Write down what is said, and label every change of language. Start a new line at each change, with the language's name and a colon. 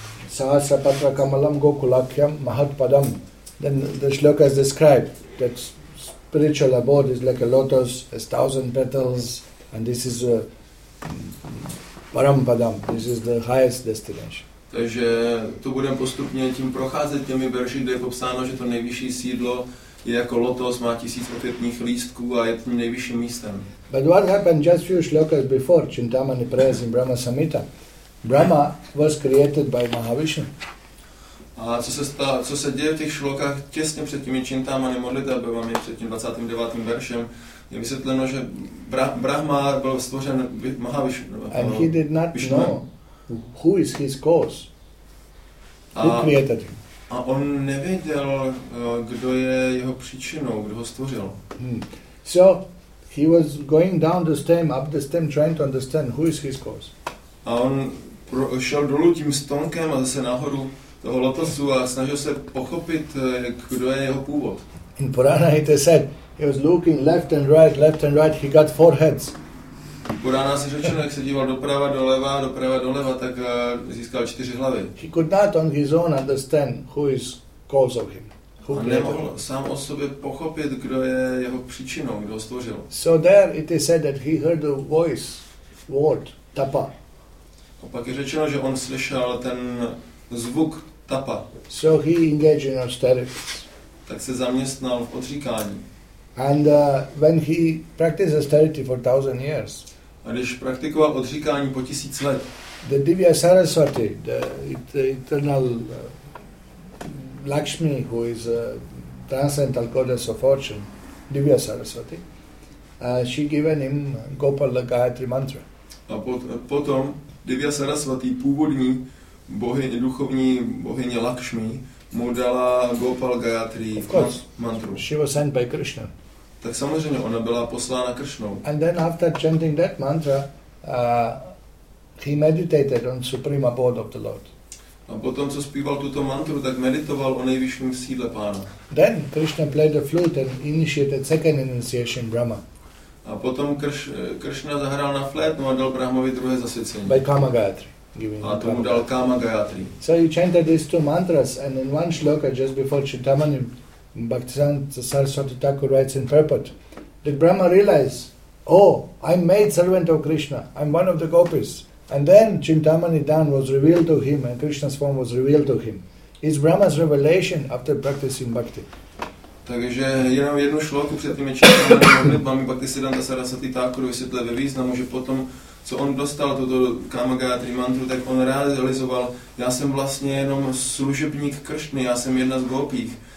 Sanskrit: Sahasra Patra Kamalam Gokulakyam Mahatpadam.
English: Then the shloka is described that spiritual abode is like a lotus, has 1,000 petals, and this is a Parampadam. This is the highest destination.
Czech: Takže to budeme postupně tím procházet těmi verši, kde je popsáno, že to nejvyšší sídlo je jako lotos, má 1,000 květních lístků a je tím nejvyšším místem.
English: But what happened just few shlokas before Chintamani prayers in Brahma Samhita? Brahma was created by Mahavishnu.
Czech: A co se děje v těch šlokách těsně před těmi Chintamani modlitbami, před tím 29. veršem, je vysvětleno, že Brahma byl stvořen Mahavishnu.
English: And he did not know who is his cause. Who created him?
Czech: A on nevěděl, kdo je jeho příčinou, kdo ho stvořil.
English: So he was going down the stem, up the stem, trying to understand who is his cause.
Czech: A on šel dolů tím stonkem a zase nahoru toho lotosu a snažil se pochopit, kdo je jeho původ.
English: In Purana it is said, he was looking left and right, he got four heads.
Czech: Purana se řečeno, jak se díval doprava, doleva, tak získal čtyři hlavy.
English: He could not on his own understand who is cause of him.
Czech: A nemohl sám o sobě pochopit, kdo je jeho příčinou, kdo ho stvořil.
English: So there it is said that he heard the voice, word, tapa.
Czech: A pak je řečeno, že on slyšel ten zvuk tapa.
English: So he engaged in austerities.
Czech: Tak se zaměstnal v odříkání.
English: And when he practiced austerity for 1,000 years.
Czech: A když praktikoval odříkání po 1,000 let.
English: The Divya Saraswati, the eternal Lakshmi, who is a transcendental goddess of fortune, Divya Saraswati, she given him Gopala Gayatri mantra.
Czech: A potom Divya Saraswati, původní bohyně, duchovní bohyně Lakshmi, mu dala Gopal Gayatri mantru.
English: She was sent by Krishna.
Czech: Tak samozřejmě ona byla poslána Kršnou.
English: And then after chanting that mantra, he meditated on supreme abode of the Lord.
Czech: A potom, co zpíval tuto mantru, tak meditoval o nejvyšším sídle Pána.
English: Then Krishna played the flute and initiated second initiation Brahma.
Czech: A potom Kršna zahrál na flétnu a dal Brahmovi druhé zasvěcení.
English: By Kama Gayatri.
Czech: A tomu dal Kama Gayatri.
English: So he chanted these two mantras and in one shloka just before Chintamani Bhaktisiddhanta Saraswati Thakur writes in purport that Brahma realized, oh, I'm made servant of Krishna. I'm one of the gopis. And then Chintamani Dhan was revealed to him and Krishna's form was revealed to him. It's Brahma's revelation after practicing bhakti.
Czech: Takže jenom jednu šloku před tím Chintamani Bhaktisiddhanta Saraswati Thakur vysvětlil ve významu, že potom, co on dostal toto Kama Gayatri mantru, tak on realizoval, já jsem vlastně jenom služebník Kršny, já jsem jedna z gopích.